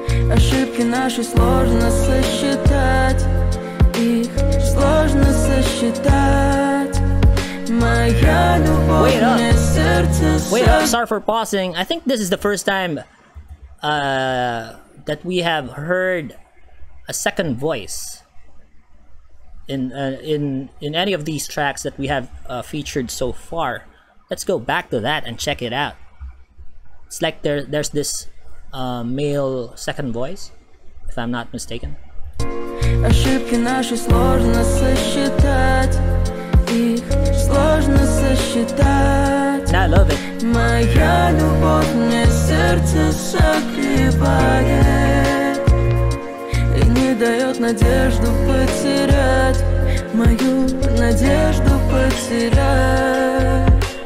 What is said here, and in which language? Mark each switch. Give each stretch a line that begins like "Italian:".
Russian: Ошибки наши сложно сосчитать, их сложно сосчитать. Моя любовь, сердце.
English: Wait up. Sorry for pausing. I think this is the first time that we have heard a second voice in any of these tracks that we have featured so far. Let's go back to that and check it out. It's like there's this male second voice, if I'm not mistaken.
Russian: Ошибки наши сложно сосчитать, их сложно сосчитать.
English: I love it.
Russian: Моя любовь мне сердце согревает и не дает надежду потерять, мою надежду потерять.